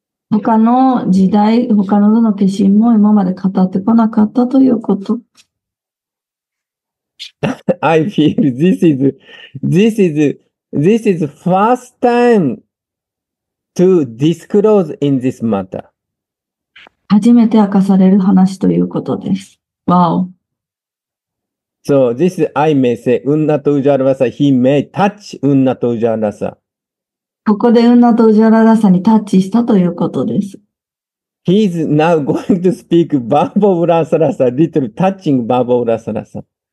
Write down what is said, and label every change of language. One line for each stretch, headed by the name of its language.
Japanese: 他の時代、他のどの化身も今まで語ってこなかったということ。
English: I feel this is first time to disclose in this matter.
Japanese: 初めて明かされる話ということです。
English: Wow. So this I may say, Unnato Ujjalavasa, he may touch Unnato Ujjalavasa.
Japanese: ここでウンナとウジャララサにタッチしたということです。
English: He is now going to speak Babo Urasarasa, little touching Babo Urasarasa.